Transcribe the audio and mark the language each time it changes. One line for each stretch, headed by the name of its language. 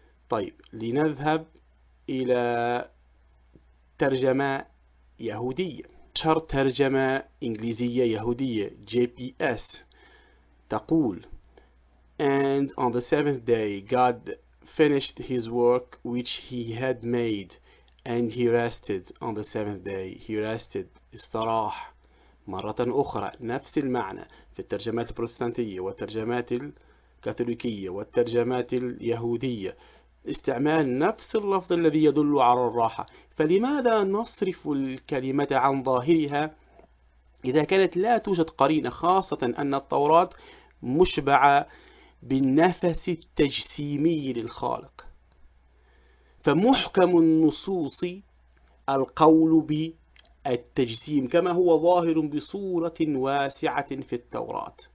Arabic: طيب لنذهب إلى ترجمة يهودية. أشهر ترجمة إنجليزية يهودية JPS تقول
English: And on the seventh day God finished his work which he had made and he rested on the seventh day. He rested.
Arabic: استراح. مرة أخرى نفس المعنى في الترجمات البروتستانتية والترجمات الكاثوليكية والترجمات اليهودية استعمال نفس اللفظ الذي يدل على الراحة. فلماذا نصرف الكلمة عن ظاهرها إذا كانت لا توجد قرينة، خاصة أن التوراة مشبعة بالنفس التجسيمي للخالق؟ فمحكم النصوص القول بالتجسيم كما هو ظاهر بصورة واسعة في التوراة.